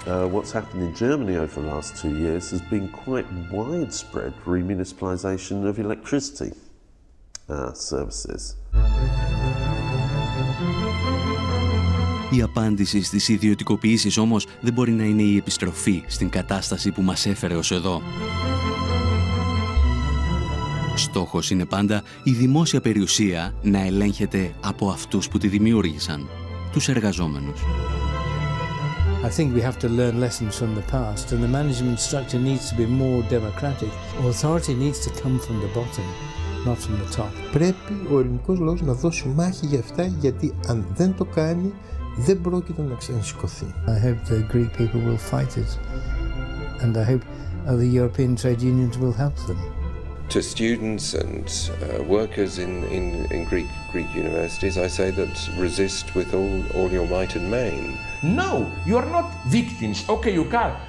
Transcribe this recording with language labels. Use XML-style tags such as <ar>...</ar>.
<en>What's happened in Germany over the last 2 years has been quite widespread remunicipalization of electricity services.</en> <el>Η απάντηση στις ιδιωτικοποιήσεις όμως δεν μπορεί να είναι η επιστροφή στην κατάσταση που μας έφερε ως εδώ. Στόχος είναι πάντα η δημόσια περιουσία να ελέγχεται από αυτούς που τη δημιούργησαν, τους εργαζόμενους.</el> <en>I think we have to learn lessons from the past and the management structure needs to be more democratic. Authority needs to come from the bottom, not from the top.</en> <el>Πρέπει ο ελληνικός λαός να δώσει μάχη για αυτά, γιατί αν δεν το κάνει, δεν πρόκειται να ξανασηκωθεί.</el> <en>I hope the Greek people will fight it and I hope the European trade unions will help them. To students and workers in Greek universities, I say that resist with all your might and main. No, you are not victims. Okay, you can.</en>